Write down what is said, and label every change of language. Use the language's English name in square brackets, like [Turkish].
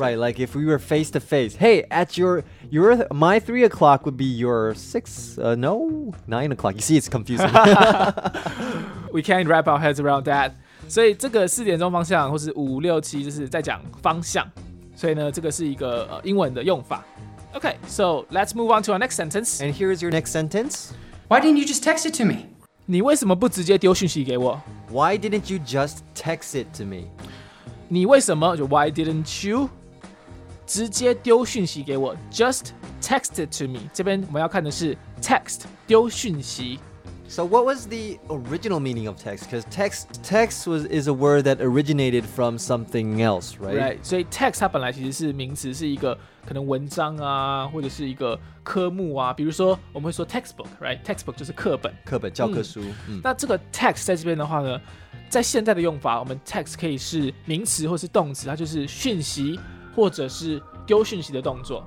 [English] Right, like if we were face to face, hey, at your my 3 o'clock would be your 9 o'clock. You see, it's confusing. We can't wrap our heads around that. [Chinese] 所以这个四点钟方向或是五六七就是在讲方向，所以呢，这个是一个英文的用法。 [English] Okay, so let's move on to our next sentence. And here is your next sentence. Why didn't you just text it to me? [Chinese] 你为什么不直接丢讯息给我？ [English] Why didn't you just text it to me? [Chinese] 你为什么就 [English] Why didn't you [Chinese] 直接丢讯息给我？ [English] Just text it to me. [Chinese] 这边我们要看的是 text 丢讯息。 [English] So what was the original meaning of text? Because text is a word that originated from something else, right? Right. [Chinese] 所以 text 它本来其实是名词，是一个可能文章啊，或者是一个科目啊。比如说我们会说 textbook, right? Textbook 就是课本。课本教科书。那这个 text 在这边的话呢，在现在的用法，我们 text 可以是名词或是动词，它就是讯息或者是丢讯息的动作。